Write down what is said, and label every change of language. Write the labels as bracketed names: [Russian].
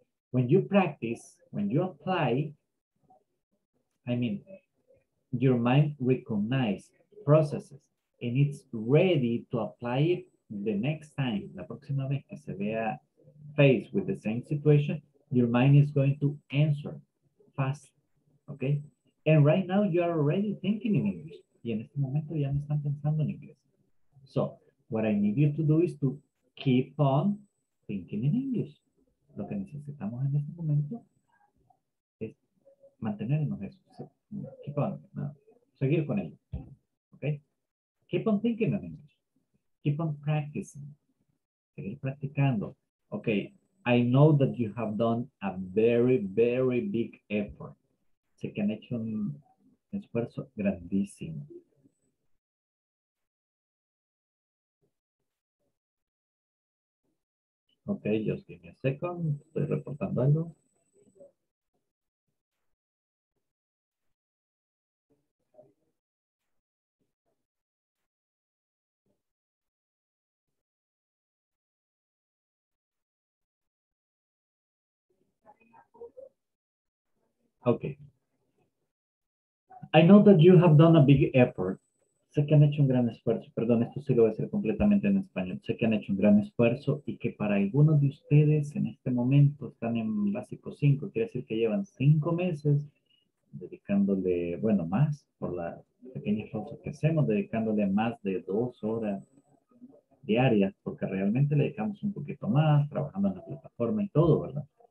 [English] When you practice, when you apply, I mean, your mind recognizes processes and it's ready to apply it the next time, [Spanish] la próxima vez que se vea [English] faced with the same situation, your mind is going to answer fast, okay? And right now you are already thinking in English. [Spanish] Y en este momento ya me están pensando en inglés. [English] So What I need you to do is to keep on thinking in English. [Spanish] Lo que necesitamos en este momento es mantenernos eso. [English] Keep on, [Spanish] ¿no? Seguir con ello. [English] Okay? Keep on thinking in English. Keep on practicing. [Spanish] Seguir practicando. [English] Okay, I know that you have done a very, very big effort. [Spanish] Sé que han hecho un esfuerzo grandísimo. [English] Okay, just give me a second. [Spanish] Estoy reportando algo. [English] Okay. I know that you have done a big effort. [Spanish] Sé que han hecho un gran esfuerzo. Perdón, esto sí lo voy a hacer completamente en español. Sé que han hecho un gran esfuerzo y que para algunos de ustedes en este momento están en básico 5. Quiere decir que llevan 5 meses dedicándole, bueno, más por la pequeña pausa que hacemos, dedicándole más de 2 horas diarias, porque realmente le dedicamos un poquito más, trabajando en la plataforma y todo, ¿verdad?